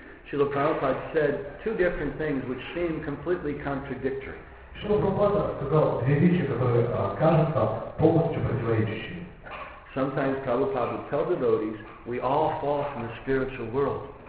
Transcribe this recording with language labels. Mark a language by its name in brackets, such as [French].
[English] Srila Prabhupada said two different things which seem completely contradictory. [Russian] Srila Prabhupada сказал две вещи, которые кажутся полностью противоречащими. [English] Sometimes Prabhupada would tell devotees, we all fall from the spiritual world.